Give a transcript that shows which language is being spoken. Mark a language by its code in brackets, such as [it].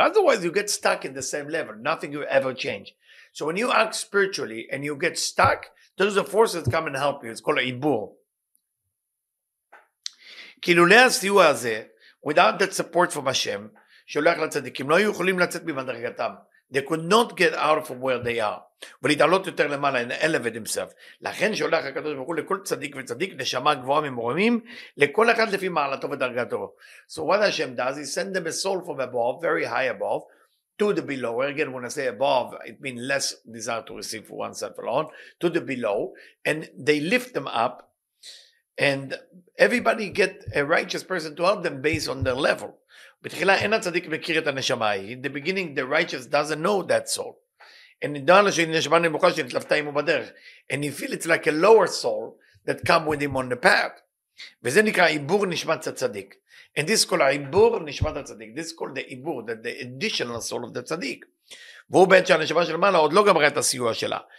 [en] Otherwise, you get stuck in the same level. Nothing will ever change. So when you act spiritually and you get stuck, there is a force that come and help you. It's called Ibur. [he] Kilulei hasiyu haze, [en] without that support from Hashem, [he] sholach latzadikim, lo yukholim latzat bimadrigatam. [en] They could not get out from where they are. [he] ולהתעלות יותר למעלה, [en] and elevate himself. [he] לכן שולח הקדוש ברוך הוא לכל צדיק וצדיק, נשמה גבוהה ממרומים, לכל אחד לפי מעלתו ודרגתו. [en] So what Hashem does, he sends them a soul from above, very high above, to the below. Again, when I say above, it means less desire to receive for oneself alone, to the below, and they lift them up, and everybody get a righteous person to help them based on their level. [he] בתחילה אין הצדיק מכיר את הנשמה, [en] in the beginning, the righteous doesn't know that soul. And he feel it's like a lower soul that come with him on the path. [he] וזה נקרא עיבור נשמת הצדיק. [en] And this is called [he] עיבור נשמת הצדיק. [en] This is called the עיבור, the additional soul of the צדיק. [he] והוא בעת שהנשמה של מעלה עוד לא גמרה את הסיוע שלה.